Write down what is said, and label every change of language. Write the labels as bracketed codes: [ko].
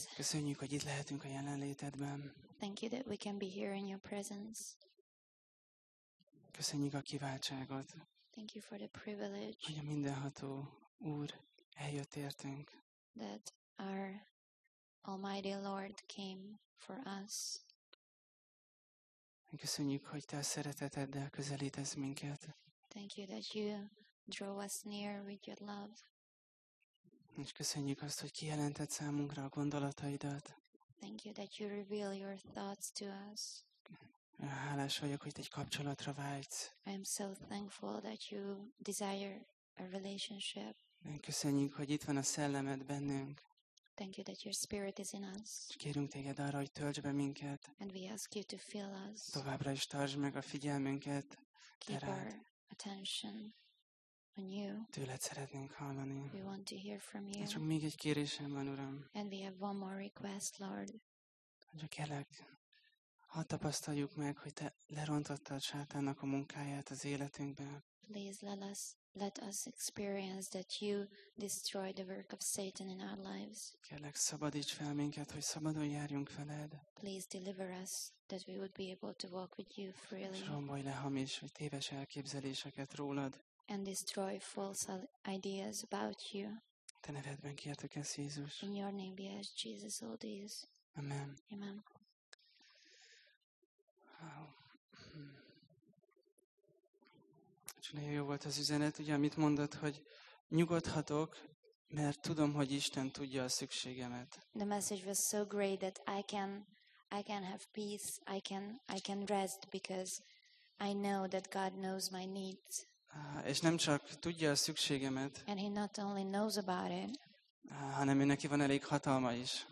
[hu] Köszönjük, hogy itt lehetünk a jelenlétedben. [en] Thank you that we can be here in your presence. [hu] Köszönjük a kiváltságot. [en] Thank you for the privilege. [hu] Hogy a mindenható Úr eljött értünk. [en] That our Almighty Lord came for us. [hu] Köszönjük, hogy te a szereteteddel közelítesz minket. [en] Thank you that you draw us near with your love. [hu] És köszönjük azt, hogy kijelented számunkra a gondolataidat. [en] Thank you that you reveal your thoughts to us. [hu] Hálás vagyok, hogy egy kapcsolatra vágysz. [en] I am so thankful that you desire a relationship. [hu] Köszönjük, hogy itt van a szellemed bennünk. [en] Thank you that your spirit is in us. [hu] Kérünk téged arra, hogy töltsd be minket. [en] And we ask you to fill us. [hu] Továbbra is tartsd meg a figyelmünket. [en] Keep [hu] terád. [en] Our attention on you. [hu] Tőled szeretnénk hallani. [en] We want to hear from you. [hu] És csak még egy kérésem van, Uram. [en] And we have one more request, Lord. [hu] Atya, kérlek, hadd tapasztaljuk meg, hogy te lerontottad Sátánnak a munkáját az életünkben. [en] Please let us experience that you destroyed the work of Satan in our lives. [hu] Kérlek, szabadíts fel minket, hogy szabadon járjunk feled. [en] Please deliver us that we would be able to walk with you freely. [hu] Rombolj le hamis vagy téves elképzeléseket rólad. [en] And destroy false ideas about you. [hu] Te nevedben kértük ezt, Jézus. [en] In your name be asked, Jesus, all these. [hu] Amen. [en] Amen. Wow. [hu] És nagyon jó volt az üzenet, ugye, amit mondott, hogy nyugodhatok, mert tudom, hogy Isten tudja a szükségemet. [en] The message was so great that I can have peace, I can rest, because I know that God knows my needs. [hu] És nem csak tudja a szükségemet, [en] and he not only knows about it, [hu] hanem ő neki van elég hatalma is,